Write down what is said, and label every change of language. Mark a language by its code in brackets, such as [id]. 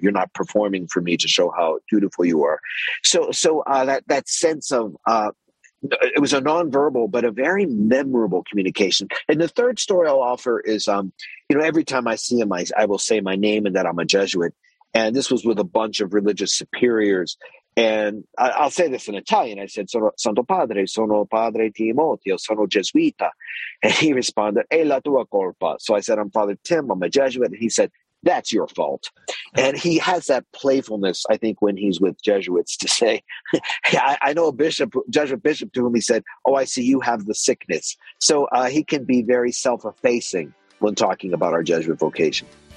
[en] You're not performing for me to show how dutiful you are. So that sense of, it was a nonverbal, but a very memorable communication. And the third story I'll offer is, you know, every time I see him, I will say my name and that I'm a Jesuit. And this was with a bunch of religious superiors. And I'll say this in Italian. I said, [it] Santo Padre, sono Padre Timoteo, sono Gesuita. [en] And he responded, [it] è la tua colpa. [en] So I said, I'm Father Tim, I'm a Jesuit. And he said, that's your fault. And he has that playfulness, I think, when he's with Jesuits to say, I know a bishop, Jesuit bishop, to whom he said, oh, I see you have the sickness. So he can be very self-effacing when talking about our Jesuit vocation.